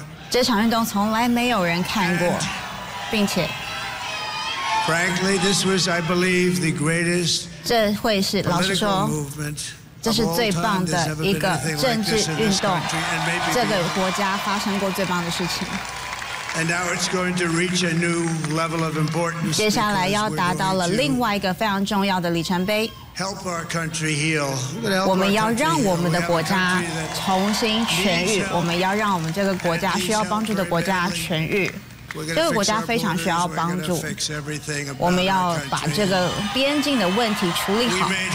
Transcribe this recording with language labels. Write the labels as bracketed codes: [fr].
[zh] 这场运动从来没有人看过，并且 [en] frankly, this was, I believe, the greatest [zh] 这会是老实说，这是最棒的一个政治运动，这个国家发生过最棒的事情。 [en] And now it's going to reach a new level of importance. [zh] 接下来要达到了另外一个非常重要的里程碑。 [en] Help our country heal. [zh] 我们要让我们的国家重新痊愈。我们要让我们这个国家需要帮助的国家痊愈。这个国家非常需要帮助。我们要把这个边境的问题处理好。